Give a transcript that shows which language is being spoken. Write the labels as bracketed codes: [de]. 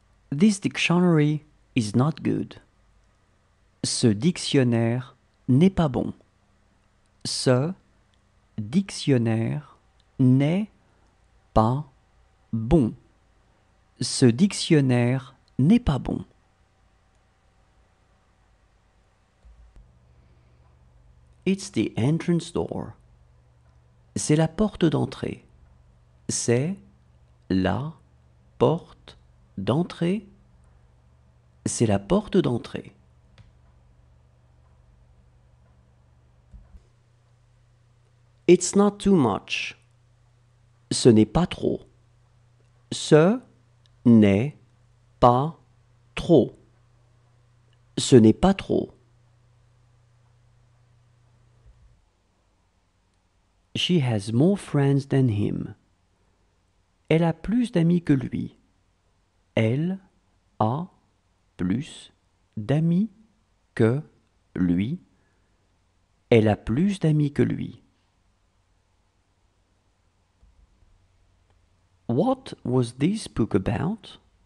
[en] This dictionary is not good. [fr] Ce dictionnaire n'est pas bon. Ce dictionnaire n'est pas bon. Ce dictionnaire n'est pas bon. [en] It's the entrance door. [fr] C'est la porte d'entrée. C'est la porte d'entrée. C'est la porte d'entrée. [en] It's not too much. [fr] Ce n'est pas trop. Ce n'est pas trop. Ce n'est pas trop. [en] She has more friends than him. [fr] Elle a plus d'amis que lui. Elle a plus d'amis que lui. Elle a plus d'amis que lui. [en] What was this book about?